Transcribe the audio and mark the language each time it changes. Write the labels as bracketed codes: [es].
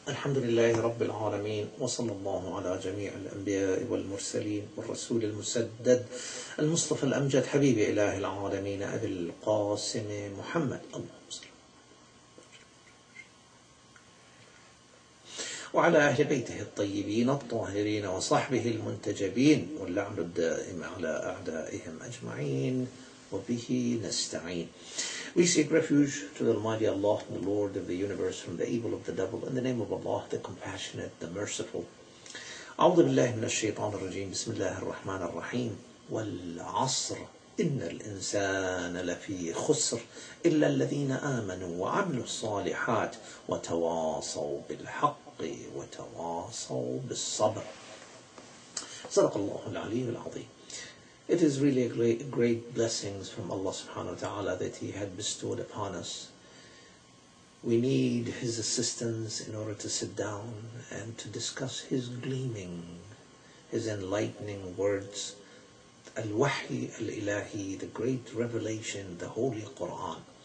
[ar] الحمد لله رب العالمين، وصلى الله على جميع الأنبياء والمرسلين والرسول المسدد المصطفى الأمجد حبيب إله العالمين أبي القاسم محمد، اللهم صل وعلى أهل بيته الطيبين الطاهرين وصحبه المنتجبين واللعن الدائم على أعدائهم أجمعين، وبه نستعين. [en] We seek refuge to the Almighty Allah, the Lord of the universe, from the evil of the devil. In the name of Allah, the Compassionate, the Merciful. [ar] أعوذ بالله من الشيطان الرجيم. بسم الله الرحمن الرحيم. والعصر إن الإنسان لفي خسر إلا الذين آمنوا وعملوا الصالحات وتواصوا بالحق وتواصوا بالصبر. صدق الله العلي العظيم. [en] It is really a great blessings from Allah subhanahu wa ta'ala that He had bestowed upon us. We need His assistance in order to sit down and to discuss His gleaming, His enlightening words, Al-Wahy Al-Ilahi, the great revelation, the Holy Quran.